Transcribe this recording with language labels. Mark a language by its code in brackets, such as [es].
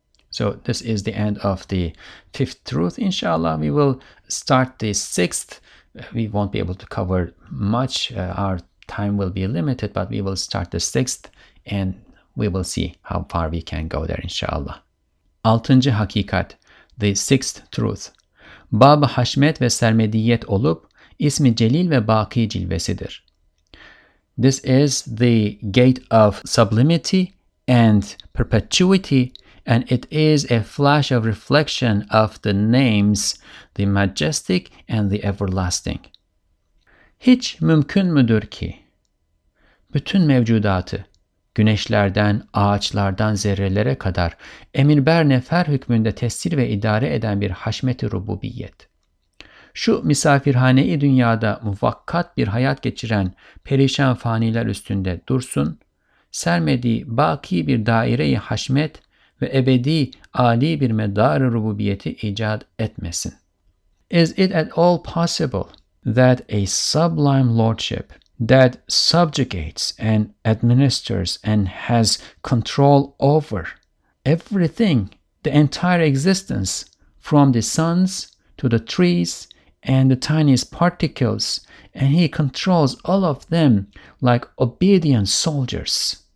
[en] So this is the end of the fifth truth. Inshallah, we will start the sixth. We won't be able to cover much. Our time will be limited, but we will start the sixth and we will see how far we can go there, inshallah. [tr] Altıncı hakikat, [en] the sixth truth. [tr] Bab-ı Haşmet ve Sermediyet olup, ismi Celil ve Baki cilvesidir. [en] This is the gate of sublimity and perpetuity, and it is a flash of reflection of the names, the majestic and the everlasting. [tr] Hiç mümkün müdür ki? Bütün mevcudatı, güneşlerden, ağaçlardan zerrelere kadar, emirber nefer hükmünde tesir ve idare eden bir haşmet-i rububiyet. Şu misafirhane-i dünyada muvakkat bir hayat geçiren perişan faniler üstünde dursun, sermediği baki bir daire-i haşmet ve ebedi âli bir medar-ı rububiyeti icat etmesin. [en] Is it at all possible that a sublime lordship that subjugates and administers and has control over everything, the entire existence, from the suns to the trees and the tiniest particles, and he controls all of them like obedient soldiers?